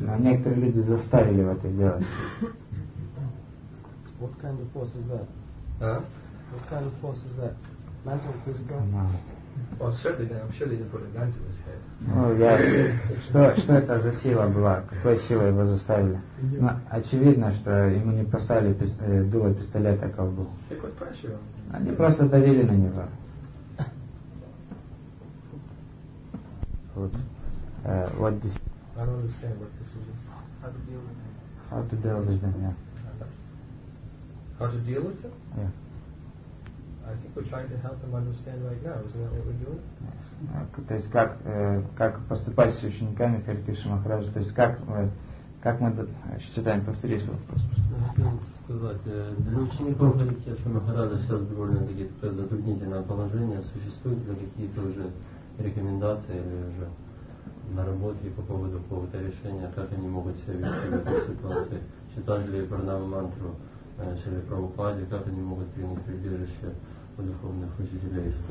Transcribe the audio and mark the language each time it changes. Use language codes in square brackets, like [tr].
[ru] Но некоторые люди заставили его это делать. [en] What kind of force is that? Huh? What kind of force is that? Mental, physical? No. Well, certainly then, I'm sure they didn't put a gun to his head. [ru] Ну, я... Что это за сила была? Какой силой его заставили? Ну, очевидно, что ему не поставили дуло пистолета к лбу. [en] They put pressure on him. [ru] Они просто давили на него. [en] What this? I don't understand what this is. How to deal with them? How to deal with them? Yeah. I think we're trying to help them understand right now. Isn't that what we're doing? [ru] То есть как поступать с учениками Хари Кришна Махараджа? То есть как мы считаем, повторюсь вопрос? Сказать для учеников Хари Кришна Махараджа сейчас довольно такие затруднительное положение. Существуют ли какие-то уже рекомендации или уже на работе по поводу какого-то решения, как они могут себя вести в этой ситуации, читать ли Пранава мантру, или Прабхупаде, как они могут принять прибежище у духовных учителей.